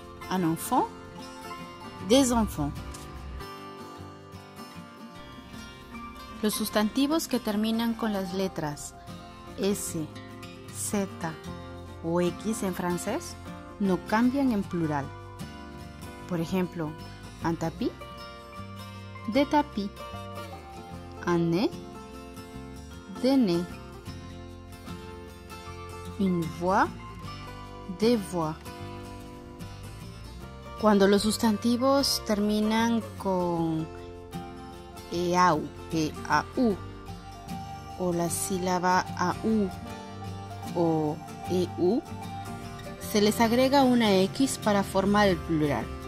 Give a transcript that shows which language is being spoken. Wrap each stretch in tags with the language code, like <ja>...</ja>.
<fr>Un enfant, des enfants.</fr> <es>Los sustantivos que terminan con las letras s, z o x en francés no cambian en plural. Por ejemplo, un tapis, des tapis, un nez, des nez, une voix, des voix. Cuando los sustantivos terminan con eau, e-a-u, o la sílaba au o e-u, se les agrega una x para formar el plural.</es>